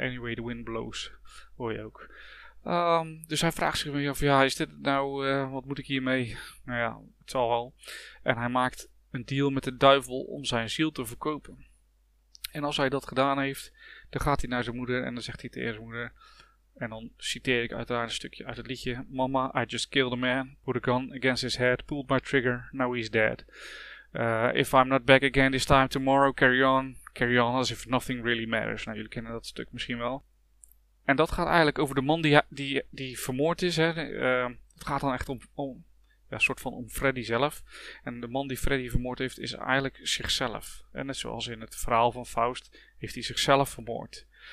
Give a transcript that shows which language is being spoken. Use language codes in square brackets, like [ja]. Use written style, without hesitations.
[en] Anyway, the wind blows, [nl] hoor je ook. Dus hij vraagt zich af, ja, is dit nou, wat moet ik hiermee? Nou ja, het zal wel. En hij maakt een deal met de duivel om zijn ziel te verkopen. En als hij dat gedaan heeft, dan gaat hij naar zijn moeder en dan zegt hij tegen zijn moeder. En dan citeer ik uiteraard een stukje uit het liedje. [en] Mama, I just killed a man, put a gun against his head, pulled my trigger, now he's dead. If I'm not back again this time tomorrow, carry on as if nothing really matters. [nl] Nou, jullie kennen dat stuk misschien wel. En dat gaat eigenlijk over de man die vermoord is. Hè. Het gaat dan echt om Freddy zelf. En de man die Freddy vermoord heeft is eigenlijk zichzelf. En net zoals in het verhaal van Faust heeft hij zichzelf vermoord.